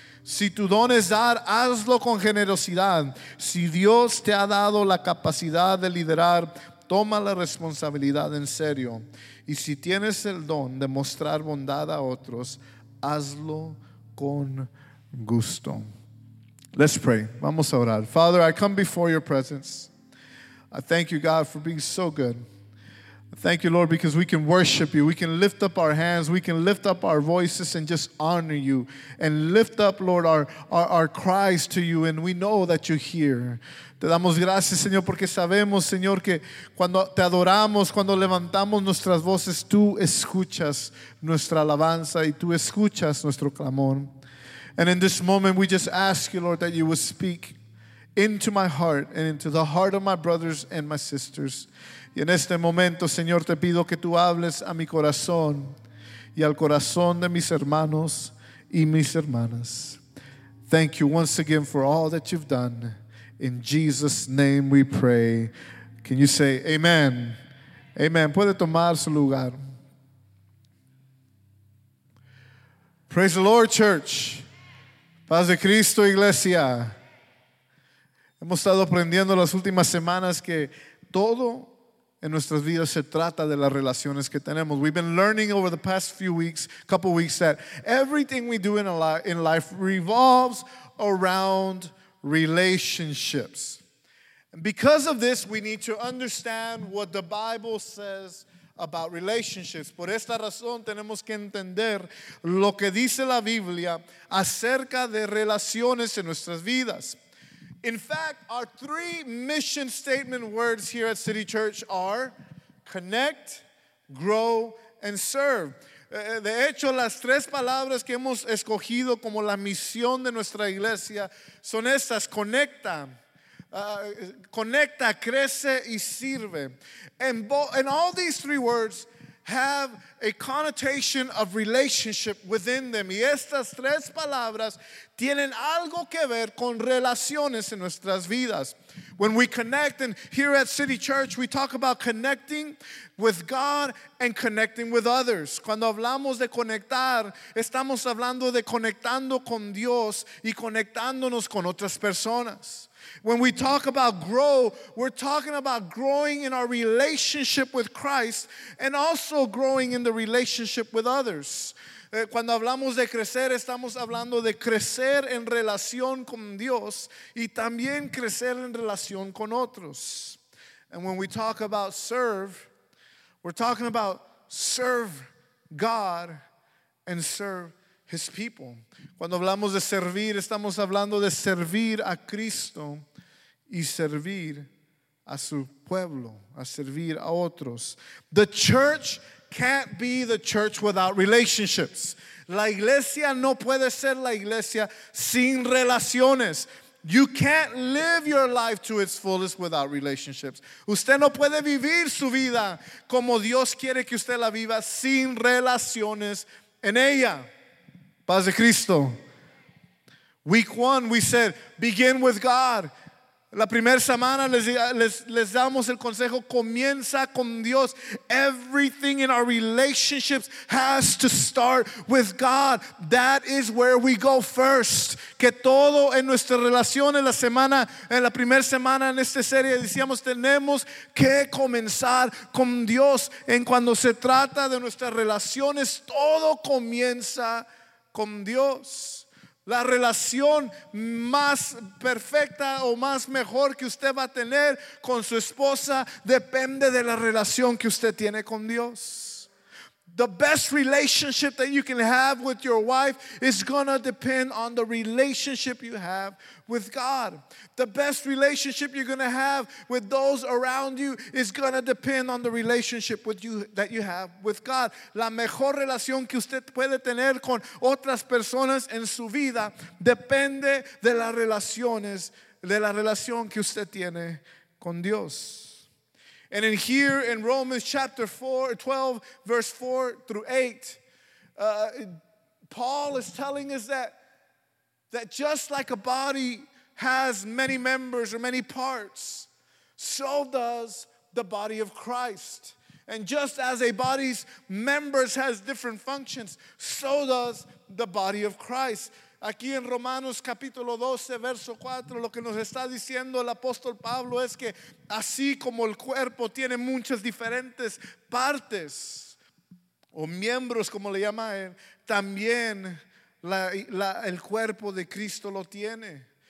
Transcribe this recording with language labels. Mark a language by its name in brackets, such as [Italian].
[Spanish] Si tu don es dar, hazlo con generosidad. Si Dios te ha dado la capacidad de liderar, toma la responsabilidad en serio. Y si tienes el don de mostrar bondad a otros, hazlo con gusto. [English] Let's pray. [Spanish] Vamos a orar. [English] Father, I come before your presence. I thank you, God, for being so good. Thank you, Lord, because we can worship you. We can lift up our hands. We can lift up our voices and just honor you. And lift up, Lord, our cries to you. And we know that you hear. [Spanish] Te damos gracias, Señor, porque sabemos, Señor, que cuando te adoramos, cuando levantamos nuestras voces, tú escuchas nuestra alabanza y tú escuchas nuestro clamor. [English] And in this moment, we just ask you, Lord, that you would speak into my heart and into the heart of my brothers and my sisters. [Spanish] Y en este momento, Señor, te pido que tú hables a mi corazón y al corazón de mis hermanos y mis hermanas. [English] Thank you once again for all that you've done. In Jesus' name we pray. Can you say amen? Amen. [Spanish] Puede tomar su lugar. [English] Praise the Lord, church. [Spanish] Paz de Cristo, iglesia. Hemos estado aprendiendo las últimas semanas que todo en nuestras vidas se trata de las relaciones que tenemos. [English] We've been learning over the past few weeks, couple weeks, that everything we do in life revolves around relationships. Because of this, we need to understand what the Bible says about relationships. [Spanish] Por esta razón, tenemos que entender lo que dice la Biblia acerca de relaciones en nuestras vidas. [English] In fact, our three mission statement words here at City Church are connect, grow, and serve. [Spanish] De hecho, las tres palabras que hemos escogido como la misión de nuestra iglesia son estas: conecta, conecta, crece y sirve. [English] And all these three words have a connotation of relationship within them. [Spanish] Y estas tres palabras tienen algo que ver con relaciones en nuestras vidas. [English] When we connect, and here at City Church, we talk about connecting with God and connecting with others. [Spanish] Cuando hablamos de conectar, estamos hablando de conectando con Dios y conectándonos con otras personas. [English] When we talk about grow, we're talking about growing in our relationship with Christ and also growing in the relationship with others. [Spanish] Cuando hablamos de crecer, estamos hablando de crecer en relación con Dios y también crecer en relación con otros. [English] And when we talk about serve, we're talking about serve God and serve His people. [Spanish] Cuando hablamos de servir, estamos hablando de servir a Cristo y servir a su pueblo, a servir a otros. [English] The church can't be the church without relationships. [Spanish] La iglesia no puede ser la iglesia sin relaciones. [English] You can't live your life to its fullest without relationships. [Spanish] Usted no puede vivir su vida como Dios quiere que usted la viva sin relaciones en ella. Paz de Cristo. [English] Week one, we said, begin with God. [Spanish] La primera semana les damos el consejo, comienza con Dios. [English] Everything in our relationships has to start with God. That is where we go first. [Spanish] Que todo en nuestra relación en la semana, en la primera semana en esta serie, decíamos, tenemos que comenzar con Dios. En cuando se trata de nuestras relaciones, todo comienza con Dios. La relación más perfecta o más mejor que usted va a tener con su esposa depende de la relación que usted tiene con Dios. [English] The best relationship that you can have with your wife is gonna depend on the relationship you have with God. The best relationship you're gonna have with those around you is gonna depend on the relationship with you that you have with God. [Spanish] La mejor relación que usted puede tener con otras personas en su vida depende de las relaciones, de la relación que usted tiene con Dios. [English] And in here in Romans chapter 12, verse 4 through 8, Paul is telling us that just like a body has many members or many parts, so does the body of Christ. And just as a body's members has different functions, so does the body of Christ. [Spanish] Aquí en Romanos capítulo 12, verso 4, lo que nos está diciendo el apóstol Pablo es que así como el cuerpo tiene muchas diferentes partes o miembros, como le llama él, también el cuerpo de Cristo lo tiene.